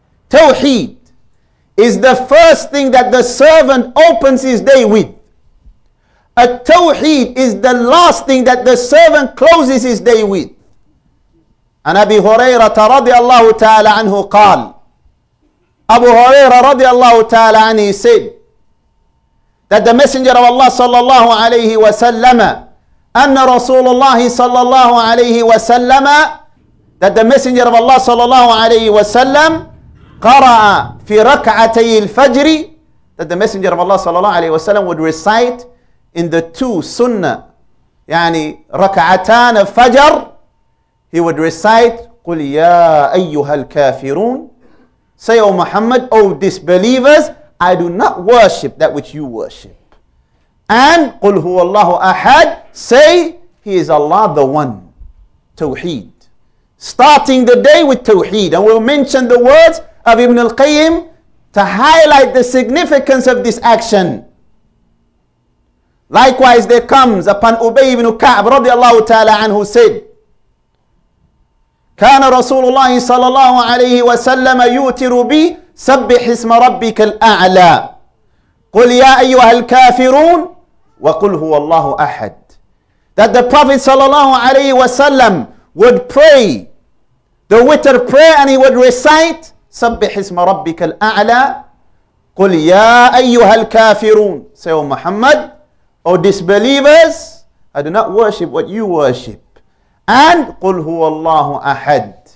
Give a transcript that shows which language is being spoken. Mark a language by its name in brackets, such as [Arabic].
[English] Tawheed is the first thing that the servant opens his day with. A Tawheed is the last thing that the servant closes his day with. [Arabic] عن أبي هريرة رضي الله تعالى عنه قال أبو هريرة رضي الله تعالى عنه [English] said that the messenger of Allah [Arabic] صلى الله عليه وسلم أن رسول الله صلى الله عليه وسلم [English] that the messenger of Allah [Arabic] صلى الله عليه وسلم قرأ في ركعتي الفجر that the messenger of Allah صلى الله عليه وسلم [English] would recite in the two sunnah [Arabic] يعني ركعتان الفجر. [English] He would recite, [Arabic] قُلْ يَا أَيُّهَا الْكَافِرُونَ. [English] Say, O Muhammad, O disbelievers, I do not worship that which you worship. [Arabic] And قُلْ هُوَ اللَّهُ أَحَدٌ. [English] Say, He is Allah the One. Tawheed. Starting the day with Tawheed. And we'll mention the words of Ibn al-Qayyim to highlight the significance of this action. Likewise, there comes upon Ubay ibn Ka'b radiallahu ta'ala anhu said, [Arabic] كان رسول الله صلى الله عليه وسلم يوتر بي سبح اسم ربك الأعلى قل يا أيها الكافرون وقل هو الله أحد. [English] That the Prophet صلى الله عليه وسلم would pray the witr prayer and he would recite [Arabic] سبح اسم ربك الأعلى قل يا أيها الكافرون. [English] Say, O Muhammad, O disbelievers, I do not worship what you worship. [Arabic] And قُلْ هُوَ اللَّهُ أَحَدٌ.